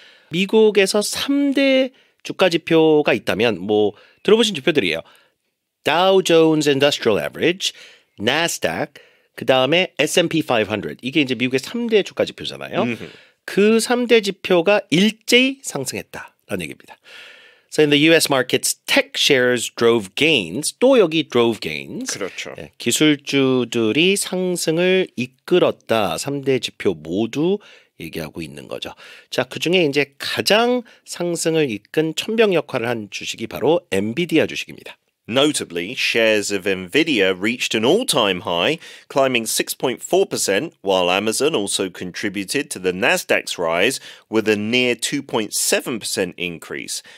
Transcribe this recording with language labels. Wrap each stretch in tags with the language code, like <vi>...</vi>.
<ko>미국에서 3대 주가 지표가 있다면 뭐 들어보신 지표들이에요. Dow Jones Industrial Average, Nasdaq, 그다음에 S&P 500. 이게 이제 미국의 3대 주가 지표잖아요. 그 3대 지표가 일제히 상승했다라는 얘기입니다.</ko> <en>So in the US markets, tech shares drove gains.</en> <ko>또 여기</ko> <en>drove gains.</en> <ko>그렇죠. 네, 기술주들이 상승을 이끌었다. 3대 지표 모두 얘기하고 있는 거죠. 자, 그중에 이제 가장 상승을 이끈 천병 역할을 한 주식이 바로 엔비디아 주식입니다.</ko> <en>Notably, shares of NVIDIA reached an all-time high, climbing 6.4%, while Amazon also contributed to the Nasdaq's rise with a near 2.7% increase.</en>